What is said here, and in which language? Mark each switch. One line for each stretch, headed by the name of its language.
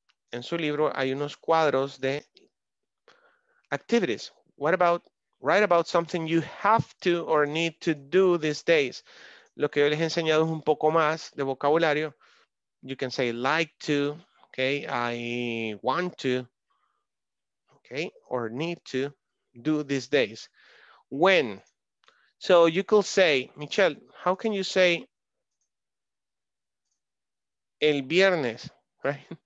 Spanish: En su libro hay unos cuadros de activities.
English: What about, write about something you have to or need to do these days.
Spanish: Lo que yo les he enseñado es un poco más de vocabulario.
English: You can say like to, okay, I want to, okay, or need to do these days. When. So you could say, Michelle, how can you say
Spanish: el viernes,
English: right?